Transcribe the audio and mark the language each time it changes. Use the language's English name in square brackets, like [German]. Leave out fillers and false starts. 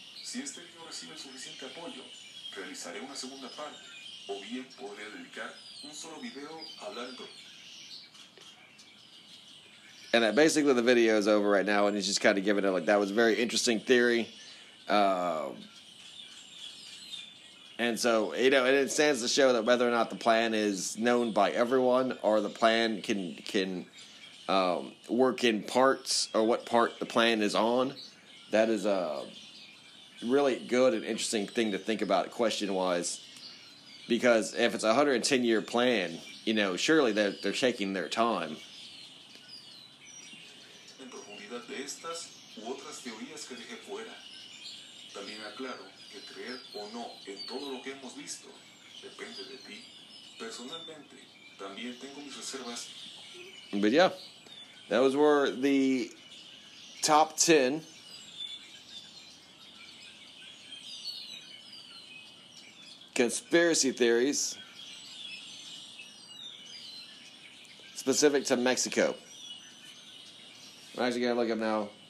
[Spanish] Si este video recibe suficiente apoyo, realizaré una segunda parte, o bien podría dedicar un solo video hablando. [English] And that basically the video is over right now, and he's just kind of giving it like that was a very interesting theory. And so, you know, and it stands to show that whether or not the plan is known by everyone or the plan can work in parts or what part the plan is on, that is a really good and interesting thing to think about question-wise. Because if it's a 110-year plan, you know, surely they're taking their time. [Spanish] De estas u otras teorías que dejé fuera. También aclaro que creer o no en todo lo que hemos visto depende de ti. Personalmente, también tengo mis reservas. [English] But yeah, those were the top 10 conspiracy theories specific to Mexico. I'm actually going to look up now.